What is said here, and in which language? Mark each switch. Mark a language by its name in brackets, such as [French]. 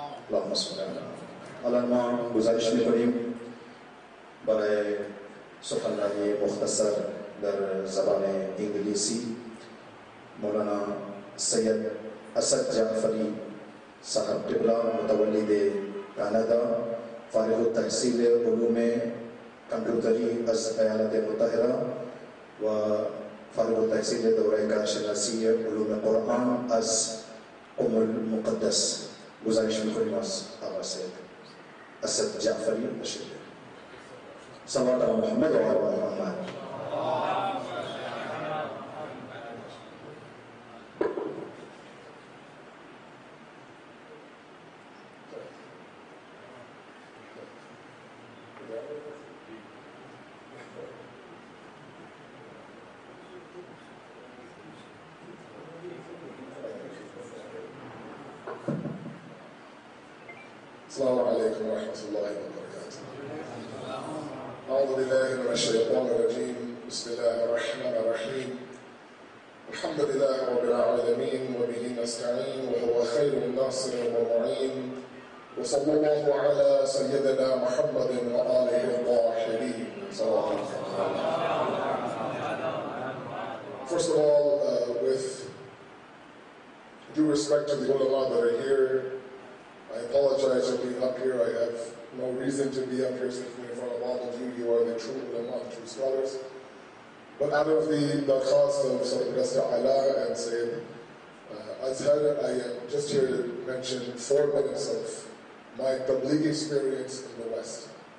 [Persian] اللهم صل علی محمد. حالا ما گزارش میکنیم برای سخنرانی مختصر در زبان انگلیسی مولانا سید اسد جعفری صاحب قبلا متولد کانادا فارغ التحصیل علوم کمپیوتری از ایالات متحده و فارغ التحصیل دوره کارشناسی علوم قرآن از ام المقدس. گزارش میکنیم از آقا سید اسد جعفری بشیر. [Arabic] صلوات على محمد وعلى آل محمد. السلام عليكم ورحمه الله وبركاته. أعوذ بالله من الشيطان الرجيم. بسم الله الرحمن الرحيم. الحمد لله رب العالمين وبه نستعين وهو خير الناصر والمعين وصلى الله على سيدنا محمد وآله الطاهرين. صلى الله عليه وسلم. [English] First of all, with due respect to the ulama that are here, I apologize for being up here. I have no reason to be up here sitting in front of all of you. You are the true ulama, true scholars. But out of the cause of Sayyidina Ala and Sayyid Azhar, I am just here to mention 4 minutes of my Tabligh experience in the West.